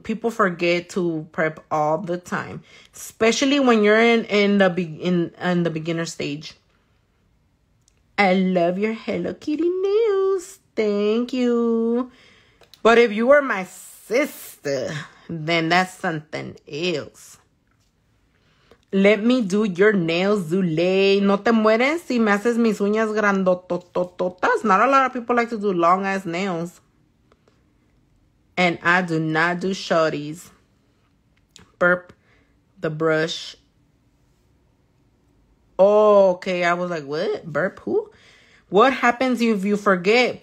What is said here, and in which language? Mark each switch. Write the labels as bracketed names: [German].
[English] People forget to prep all the time. Especially when you're in the beginner stage. I love your Hello Kitty nails. Thank you. But if you were my sister, then that's something else. Let me do your nails, Zule. [Spanish] No te mueres si me haces mis uñas grandotototas. [English] Not a lot of people like to do long-ass nails. And I do not do shorties. Burp the brush. Oh, okay. I was like, what? Burp who? What happens if you forget?